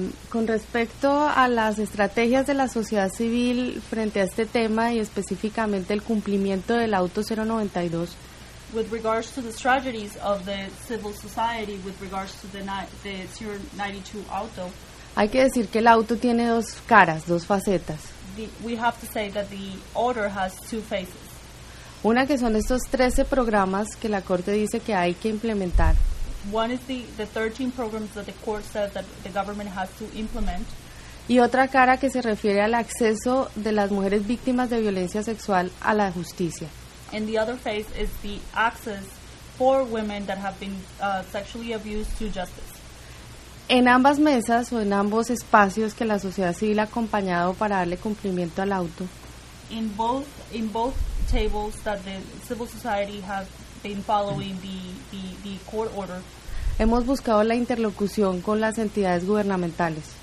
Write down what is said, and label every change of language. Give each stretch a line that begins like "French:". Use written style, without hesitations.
Spanish: Con respecto a las estrategias de la sociedad civil frente a este tema y específicamente el cumplimiento del auto 092.
English: With regards to the strategies of the civil society with regards to the 092 auto.
Spanish: Hay que decir que el auto tiene dos caras, dos facetas.
English: We have to say that the order has two faces.
Spanish: Una que son estos 13 programas que la Corte dice que hay que implementar.
English: One is the 13 programs that the court says that the government has to implement.
Spanish: Y otra cara que se refiere al acceso de las mujeres víctimas de violencia sexual a la justicia.
English: And the other phase is the access for women that have been sexually abused to justice.
Spanish: En ambas mesas o en ambos espacios que la sociedad civil ha acompañado para darle cumplimiento al auto.
English: In both tables that the civil society has been following the court order.
Spanish: Hemos buscado la interlocución con las entidades gubernamentales.